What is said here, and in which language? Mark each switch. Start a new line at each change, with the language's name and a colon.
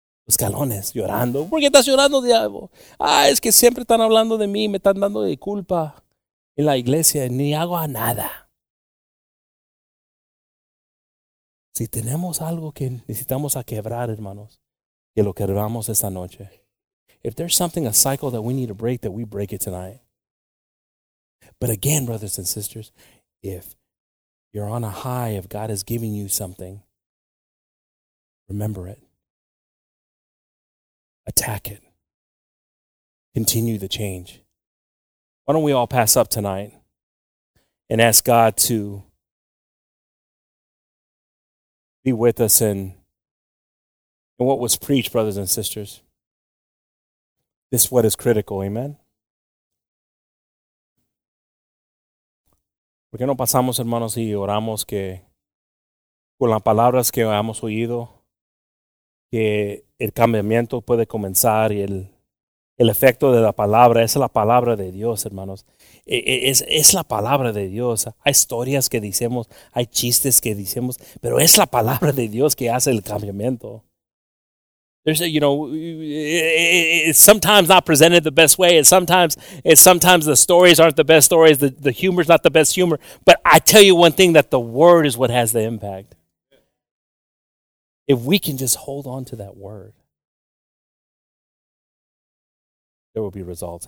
Spanish: escalones, llorando. ¿Por qué estás llorando, diablo? Ah, es que siempre están hablando de mí, me están dando de culpa en la iglesia, ni hago a nada. Si tenemos algo que necesitamos a quebrar, hermanos, que lo quebramos esta noche.
English: If there's something, a cycle that we need to break, that we break it tonight. But again, brothers and sisters, if you're on a high, if God has given you something, remember it. Attack it. Continue the change. Why don't we all pass up tonight and ask God to be with us in what was preached, brothers and sisters. This is what is critical, amen?
Spanish: ¿Por qué no pasamos, hermanos, y oramos que con las palabras que hemos oído, que el cambiamiento puede comenzar y el efecto de la palabra? Es la palabra de Dios, hermanos. Es la palabra de Dios. Hay historias que decimos, hay chistes que decimos, pero es la palabra de Dios que hace el cambiamiento.
English: There's, you know, it's sometimes not presented the best way. It's sometimes the stories aren't the best stories. The humor's not the best humor. But I tell you one thing, that the word is what has the impact. If we can just hold on to that word, there will be results.